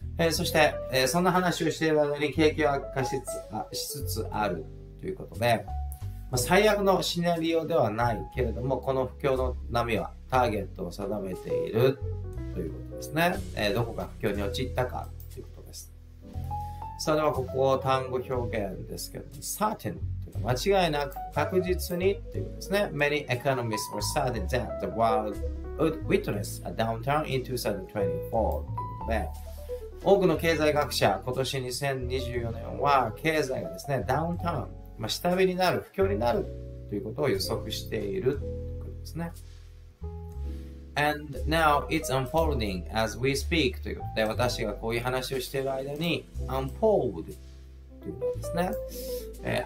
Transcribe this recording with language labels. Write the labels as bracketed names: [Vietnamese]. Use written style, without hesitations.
[Japanese] そして、そんな話をしているのに景気は悪化しつつあるということで、まあ、最悪のシナリオではないけれども、この不況の波はターゲットを定めているということですね。どこが不況に陥ったかということです。それではここ単語表現ですけど、certain というか間違いなく確実にということですね。 [English] Many economists were certain that the worldWould witness a downturn in 2024. [Japanese] 多くの経済学者、今年2024年は経済がですね、ダウンターン、まあ、下火になる、不況になるということを予測しているということですね。 [English] And now it's unfolding as we speak [Japanese] ということで、私がこういう話をしている間に unfold ということですね。